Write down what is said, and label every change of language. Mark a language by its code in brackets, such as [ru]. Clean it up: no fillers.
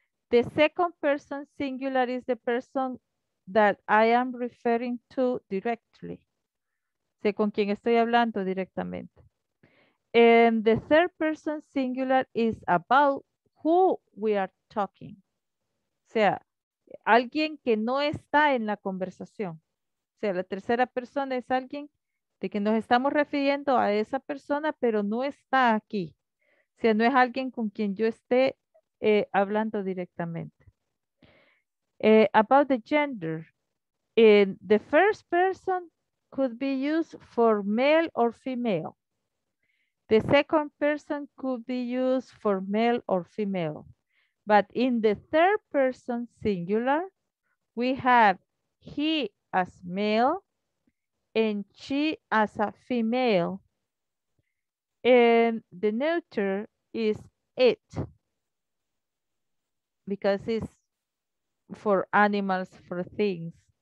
[en] The second person singular is the person that I am referring to directly. [es] Sé con quién estoy hablando directamente. [en] And the third person singular is about who we are talking. [es] O sea, alguien que no está en la conversación. O sea, la tercera persona es alguien de que nos estamos refiriendo a esa persona, pero no está aquí. O sea, no es alguien con quien yo esté hablando directamente. [en] About the gender. And the first person could be used for male or female. The second person could be used for male or female. But in the third person singular, we have he as male, and she as a female, and the neuter is it, because it's for animals, for things.